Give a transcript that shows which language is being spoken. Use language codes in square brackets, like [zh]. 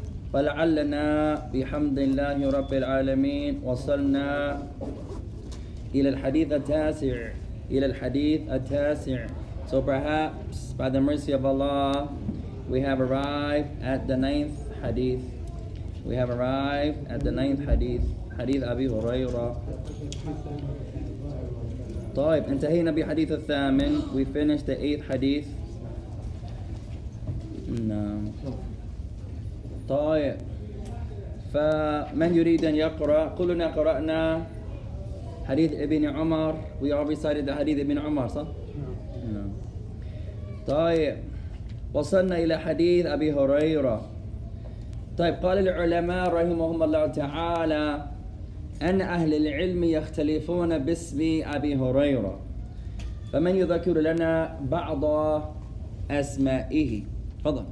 [ar] فَلَعَلَّنَا بِحَمْدِ اللَّهِ رَبِّ الْعَالَمِينَ وَصَلْنَا إِلَى الْحَدِيثَ التَّاسِعِ إِلَى الْحَدِيثَ التَّاسِعِ. [en] So perhaps by the mercy of Allah, we have arrived at the 9th hadith. We have arrived at the 9th hadith. Hadith Abi Huraira. [ar] طيب انتهينا بحديث الثامن. [en] We finished the 8th hadith. [ar] نعم. طيب فمن يريد ان يقرا كلنا قرانا حديث ابن عمر. [en] We all recited the hadith ابن عمر, [ar] صح؟ نعم. طيب وصلنا الى حديث ابي هريره. طيب قال العلماء رحمهم الله تعالى أن أهل العلم يختلفون باسم أبي هريرة, فمن يذكر لنا بعض أسمائه؟ فضل.